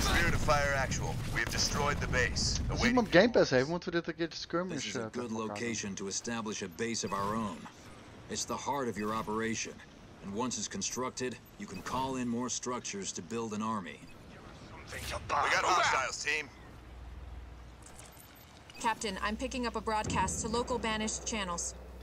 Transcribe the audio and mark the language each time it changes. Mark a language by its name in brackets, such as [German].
[English] Spirit of Fire Actual, we have destroyed the base. [Dutch] Als iemand Game Pass heeft, moeten we dit een keer de skirmish hebben. [English] This is a good location to establish a base of our own. It's the heart of your operation. And once it's constructed, you can call in more structures to build an army. We got hostiles, team. Captain, I'm picking up a broadcast to local banished channels.